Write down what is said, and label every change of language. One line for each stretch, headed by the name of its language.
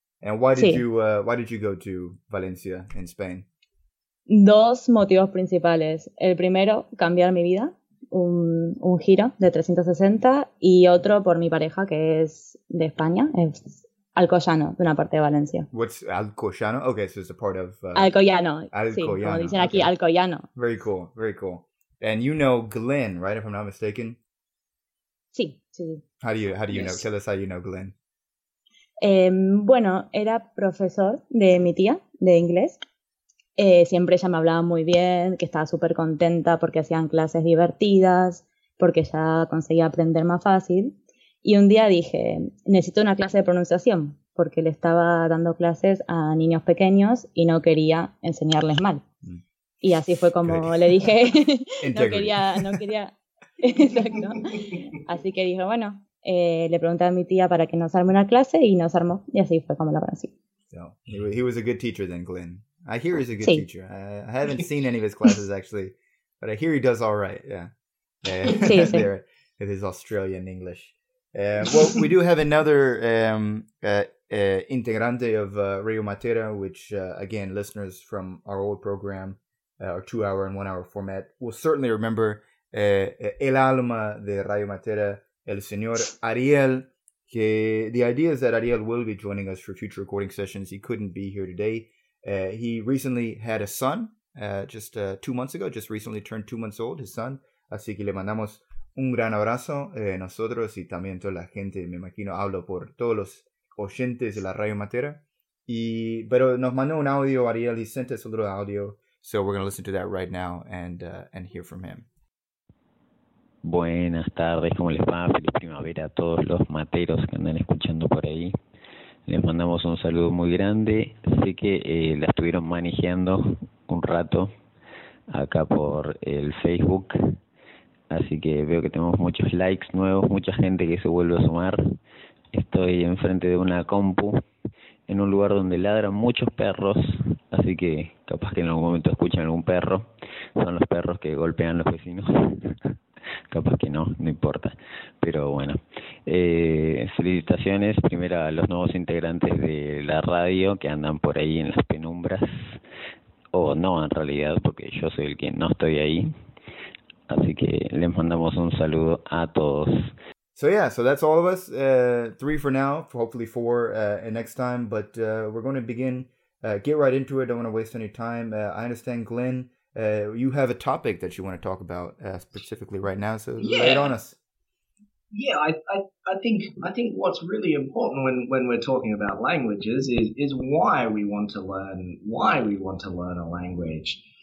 English: And why did you go to Valencia in Spain?
Spanish: Dos motivos principales. El primero, cambiar mi vida, un giro de 360, y otro por mi pareja, que es de España, es Alcoyano, de una parte de Valencia.
English: What's Alcoyano? Okay, so it's a part of...
Spanish: Alcoyano. Alcoyano. Sí, como dicen aquí, okay. Alcoyano.
English: Very cool, very cool. And you know Glenn, right, if I'm not mistaken?
Spanish: Sí, sí.
English: How do you yes. know? Tell us how you know Glenn.
Spanish: Bueno, era profesor de mi tía, de inglés. Siempre ella me hablaba muy bien, que estaba súper contenta porque hacían clases divertidas, porque ya conseguía aprender más fácil. Y un día dije, necesito una clase de pronunciación, porque le estaba dando clases a niños pequeños y no quería enseñarles mal. Y así fue como le dije, no quería, exacto. Así que dije, bueno, le pregunté a mi tía para que nos arme una clase y nos armó, y así fue como la conocí.
English: So, he was a good teacher then, Glenn. I hear he's a good teacher. I haven't seen any of his classes, actually, but I hear he does all right. Yeah. With his Australian English. Well, we do have another integrante of Radio Matera, which, again, listeners from our old program, our two-hour and one-hour format, will certainly remember.
Spanish: El alma de Radio Matera, el señor Ariel.
English: The idea is that Ariel will be joining us for future recording sessions. He couldn't be here today. He recently had a son, just recently turned 2 months old, his son.
Spanish: Así que le mandamos un gran abrazo nosotros y también toda la gente, me imagino, hablo por todos los oyentes de la Radio Matera. Pero nos mandó un audio, Ariel,
English: he sent us a little audio. So we're going to listen to that right now and hear from him.
Spanish: Buenas tardes, ¿cómo les va? Feliz primavera a todos los materos que andan escuchando por ahí. Les mandamos un saludo muy grande. Sé que la estuvieron manejando un rato acá por el Facebook. Así que veo que tenemos muchos likes nuevos, mucha gente que se vuelve a sumar. Estoy enfrente de una compu en un lugar donde ladran muchos perros. Así que capaz que en algún momento escuchan algún perro. Son los perros que golpean a los vecinos. Capaz que no importa, pero bueno, felicitaciones primero a los nuevos integrantes de la radio que andan por ahí en las penumbras, o no en realidad, porque yo soy el que no estoy ahí, así que les mandamos un saludo a todos.
English: So yeah, so that's all of us, three for now, hopefully four next time, but we're going to begin, get right into it, don't want to waste any time. I understand Glenn, you have a topic that you want to talk about specifically right now, so lay it on us. Yeah, I think what's really important when we're talking about languages is why we want to learn a language.